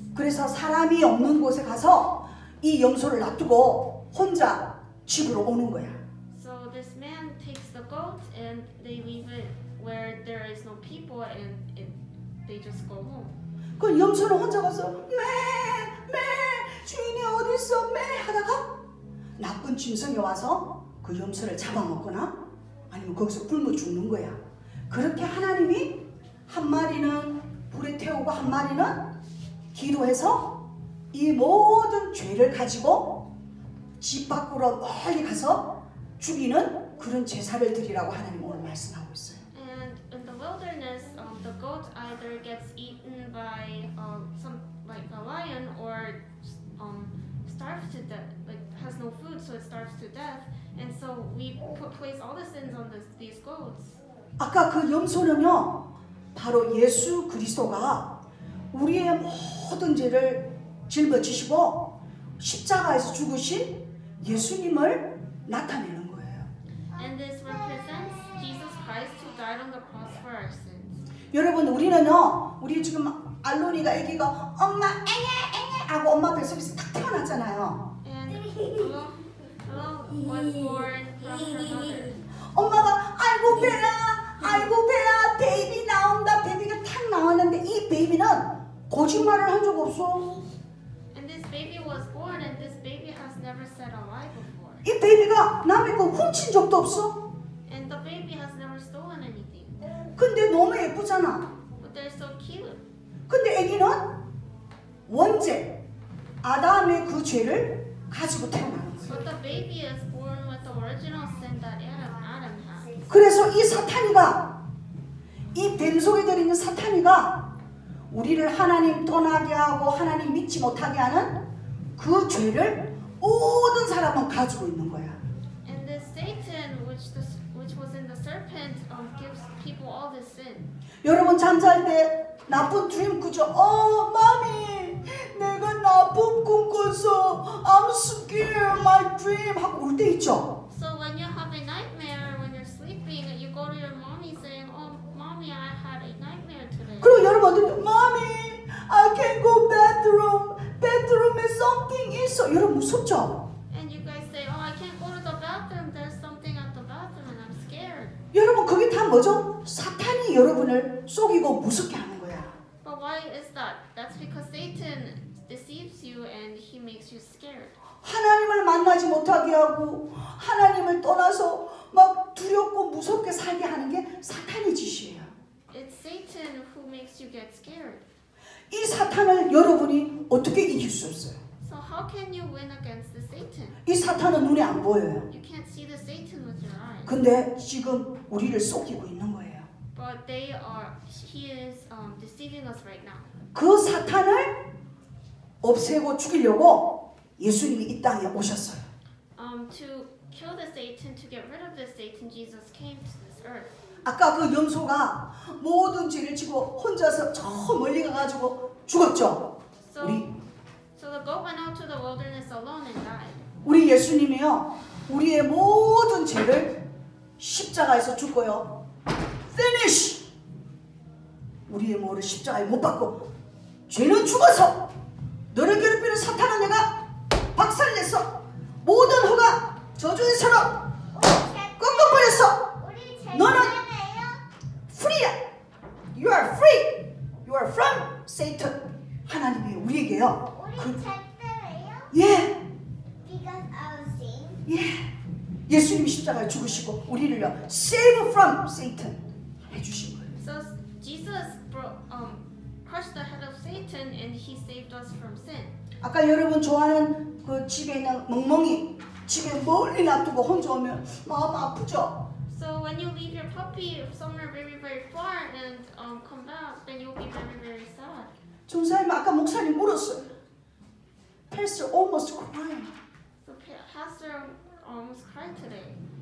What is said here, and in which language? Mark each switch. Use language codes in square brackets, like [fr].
[ko] 그래서 사람이 없는 곳에 가서 이 염소를 놔두고 혼자 집으로 오는 거야. [en] So this man takes the goat and they leave it where there is no people and they just go home. [ko] 그 염소는 혼자 가서 매 주인이 어디 있어 매 하다가 나쁜 짐승이 와서 그 염소를 잡아먹거나 아니면 거기서 굶어 죽는 거야. 그렇게 하나님이 한 마리는 불에 태우고 한 마리는 기도해서 이 모든 죄를 가지고 집 밖으로 멀리 가서 죽이는 그런 제사를 드리라고 하나님 오늘 말씀하고 있어요. [en] And in the wilderness, the goat either gets eaten by some like a lion or starves to death, like has no food, so it starves to death. And so we put place all the sins on these goats. [ko] 아까 그 염소는요, 바로 예수 그리스도가 우리의 모든 죄를 짊어지시고 십자가에서 죽으신 예수님을 나타내는 거예요. [en] And this represents Jesus Christ who died on the cross for our sins. [ko] 여러분 우리는요, 우리 지금 알로니가 아기가 엄마 앵앵 하고 엄마 뱃속에서 탁 태어났잖아요. [en] And hello was born from her mother. [ko] 엄마가 아이고 베라 아이고 베라 베이비 나온다 베이비가 탁 나왔는데 이 베이비는 거짓말을 한 적 없어. [en] And this baby was born and this baby has never said a lie before. [ko] 이 베이비가 남의 거 훔친 적도 없어. [en] And the baby has never stolen anything. [ko] 근데 너무 예쁘잖아. [en] But they're so cute. [ko] 근데 아기는 원죄 아담의 그 죄를 가지고 태어난 거예요. [en] But the baby is born with the original sin that Adam had. [ko] 그래서 이 사탄이가 이 뱀속에 들어있는 사탄이가 우리를 하나님 떠나게 하고 하나님 믿지 못하게 하는 그 죄를 모든 사람은 가지고 있는 거야. [en] And the Satan, which was in the serpent, gives people all the sin. [ko] 여러분 잠잘 때 나쁜 드림 꾸죠. 어, 마미, 내가 나쁜 꿈 꿨어. [en] I'm scared, my dream. [ko] 하고 울 때 있죠. [en] So when you have a nightmare when you're sleeping, you go to your mommy saying, "Oh, mommy, I had a nightmare today." [ko] 그리고 여러분 어디, [en] mommy, I can't go bathroom. [ko] Bathroom에 something 있어. 여러분 무섭죠? [en] And you guys say, "Oh, I can't go to the bathroom. There's something at the bathroom, and I'm scared." [ko] 여러분 그게 다 뭐죠? 사탄이 여러분을 속이고 무섭게 하는. [en] But why is that? That's because Satan deceives you and he makes you scared. [ko] 하나님을 만나지 못하게 하고 하나님을 떠나서 막 두렵고 무섭게 살게 하는 게 사탄의 짓이에요. [en] It's Satan who makes you get scared. [ko] 이 사탄을 여러분이 어떻게 이길 수 없어요? [en] So how can you win against the Satan? [ko] 이 사탄은 눈에 안 보여요. [en] You can't see the Satan with your eyes. [ko] 근데 지금 우리를 속이고 있는 거예요. [en] But they are, he is deceiving us right now. [ko] 그 사탄을 없애고 죽이려고 예수님이 이 땅에 오셨어요. [en] To kill the Satan, to get rid of the Satan, Jesus came to this earth. [ko] 아까 그 염소가 모든 죄를 지고 혼자서 저 멀리 가가지고 죽었죠. [en] So the goat went out to the wilderness alone and died. [ko] 우리 예수님이요, 우리의 모든 죄를 십자가에서 죽고요. [en] Finish. [ko] 우리의 머리 십자가에 못 박고 죄는 죽어서 너를 괴롭히는 사탄은 내가 박살 냈어. 모든 허가 저주의 사람 꺾어 버렸어. 너는 free야. [en] You are free. You are from Satan. [ko] 하나님이 우리에게요. 우리 잘 때래요? 예. [en] Because I was saved. [ko] 예. 예수님이 십자가에 죽으시고 우리를 [en] save from Satan. [ko] 해주신 거예요. [en] So Jesus crushed the head of Satan and he saved us from sin. [ko] 아까 여러분 좋아하는 그 집에 있는 멍멍이 집에 멀리 놔두고 혼자 오면 마음 아프죠. [en] So when you leave your puppy somewhere very very far and come back, then you'll be very very sad. [ko] 중사님 아까 목사님 울었어요. [en] Pastor almost crying. So Pastor almost cried today.